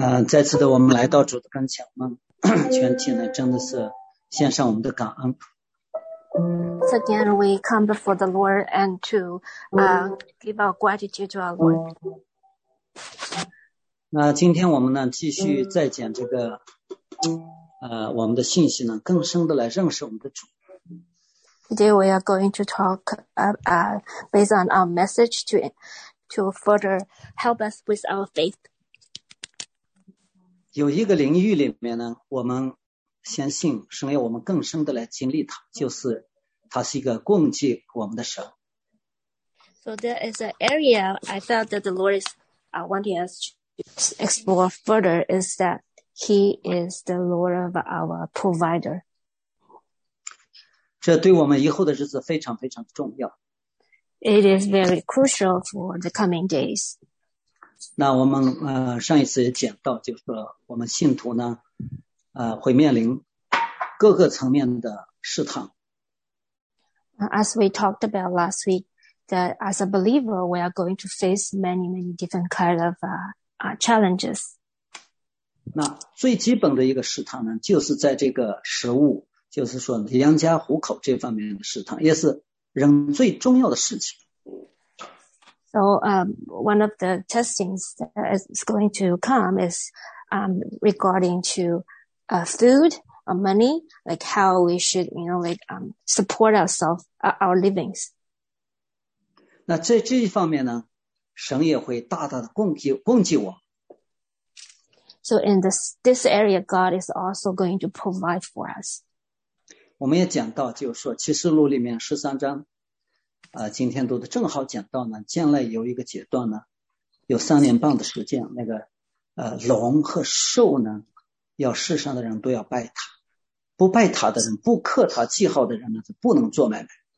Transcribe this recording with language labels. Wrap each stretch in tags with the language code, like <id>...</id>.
<zh>再次的，我们来到主的跟前，我们全体呢，真的是献上我们的感恩。</zh> <en>Again, we come before the Lord and to give our gratitude to our Lord.</en> <zh>那今天我们呢，继续再讲这个，我们的信息呢，更深的来认识我们的主。</zh> <en>Today we are going to talk based on our message to further help us with our faith.</en> <zh>有一个领域里面呢，我们相信神要我们更深的来经历它，就是它是一个供给我们的神。</zh> <en>So there is an area I felt that the Lord is wanting us to explore further is that He is the Lord of our provider.</en> <zh>这对我们以后的日子非常非常重要。</zh> <en>It is very crucial for the coming days.</en> <zh>那我们上一次也讲到，就是说我们信徒呢，会面临各个层面的试探。</zh> <en>As we talked about last week, that as a believer, we are going to face many, many different kind of challenges.</en> <zh>那最基本的一个试探呢，就是在这个食物。就是说养家糊口这方面的试探也是人最重要的事情。</zh> <en>So, one of the testings that is going to come is, regarding to, food, money, like how we should, you know, like, support ourselves, our livings.</en> <zh>那在这一方面呢神也会大大的供给我。</zh> <en>So in this area, God is also going to provide for us.</en> <zh>我们也讲到就是说启示录里面十三章今天读的正好讲到呢将来有一个阶段呢有三年半的时间那个龙和兽呢要世上的人都要拜他不拜他的人不刻他记号的人呢是不能做买卖。</zh>